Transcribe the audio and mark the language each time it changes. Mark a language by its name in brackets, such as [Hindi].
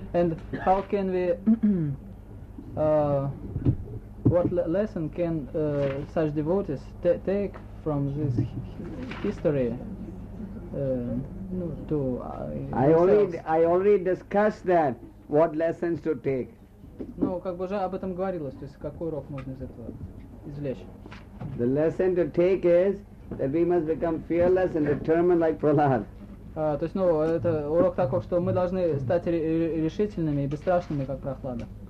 [English] And how can we, what lesson can such devotees take from this history to I already discussed that, what lessons to take. [Russian] Ну, как бы уже об этом говорилось, то есть какой урок можно из этого извлечь? [English] The lesson to take is that we must become fearless and determined like Prahlad. [Russian] То есть, ну, это урок такой, что мы должны стать решительными и бесстрашными, как Прохлада.